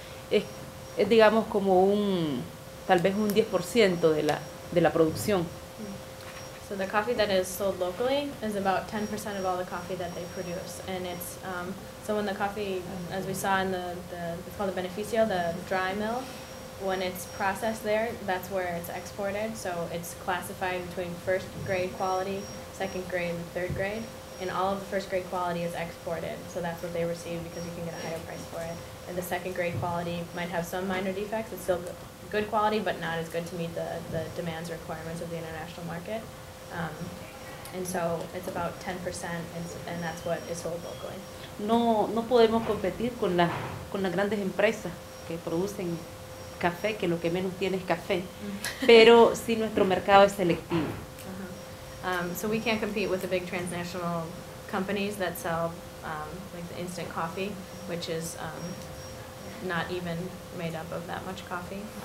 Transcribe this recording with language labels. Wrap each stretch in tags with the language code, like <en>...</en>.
<es>Es digamos como un tal vez un 10% de la producción.</es> <en>So the coffee that is sold locally is about 10% of all the coffee that they produce. And it's, so when the coffee, as we saw in the it's called the Beneficio, the dry mill, when it's processed there, that's where it's exported. So it's classified between first grade quality, second grade, and third grade. And all of the first grade quality is exported. So that's what they receive because you can get a higher price for it. And the second grade quality might have some minor defects. It's still good quality, but not as good to meet the demands requirements of the international market. And so it's about 10%, and that's what is sold locally.</en> <es>No podemos competir con las grandes empresas que producen café, que lo que menos tiene es café. Pero sí, nuestro mercado es selectivo.</es> <en>So we can't compete with the big transnational companies. companies that sell like the instant coffee, which is not even made up of that much coffee.</en>